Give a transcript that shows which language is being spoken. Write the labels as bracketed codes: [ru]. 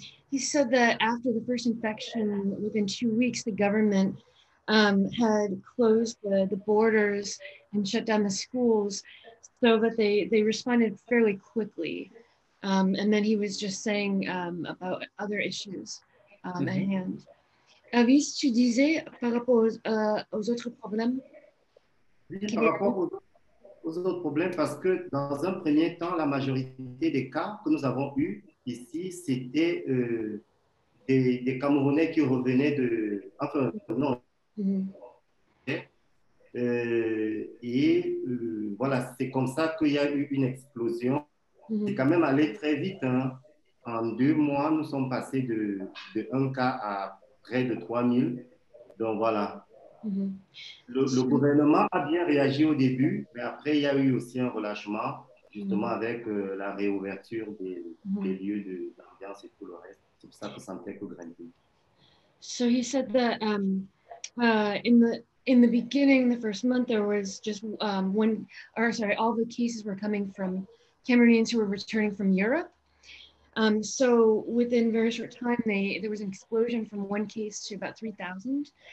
[en] He said that after the first infection, within 2 weeks, the government had closed the borders and shut down the schools, so that they responded fairly quickly. And then he was just saying about other issues mm-hmm. at hand. [fr] Avis, tu disais par rapport aux autres problèmes? Autres problèmes parce que dans un premier temps la majorité des cas que nous avons eu ici c'était des Camerounais qui revenaient de enfin non mm-hmm. Voilà c'est comme ça qu'il y a eu une explosion mm-hmm. C'est quand même allé très vite hein. En 2 mois nous sommes passés de un cas à près de 3000 donc voilà Le gouvernement a bien réagi au début, mais après, il y a eu aussi un relâchement, justement avec la réouverture des lieux d'ambiance et tout le reste. C'est pour ça que ça ne fait que grandir. [en] So he said that in the beginning, the first month, there was just all the cases were coming from Cameroonians who were returning from Europe. So within very short time, there was an explosion from one case to about 3,000.